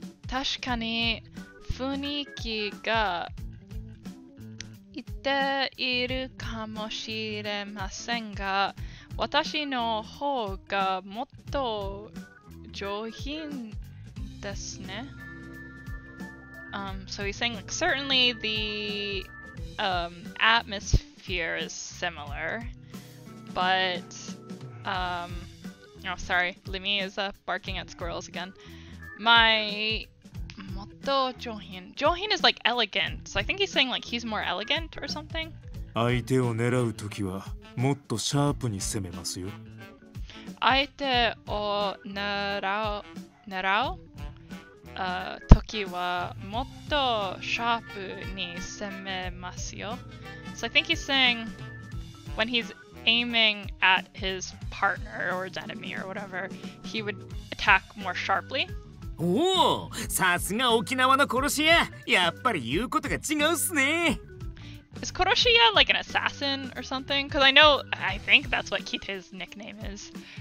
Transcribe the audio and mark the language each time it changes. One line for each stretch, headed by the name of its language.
Japanese: 確かに雰囲気が似ているかもしれませんが、私の方がもっと上品ですね。
English: So he's saying like, certainly the atmosphere is similar, but Limi is barking at squirrels again. My
Japanese: もっと上品。
English: 上品is like elegant, so I think he's saying like he's more elegant or something.
Japanese: 相手を狙うときはもっとシャープに攻めますよ。相手を狙うときはもっとシャープに攻めますよ。
English: So I think he's saying when he's aiming at his partner or his enemy or whatever, he would attack more sharply.
Japanese: Oh, さすが沖縄の殺し屋。やっぱり言うことが違うっすね。
English: Is Koroshiya like an assassin or something? Because I know, I think that's what Kite's nickname is.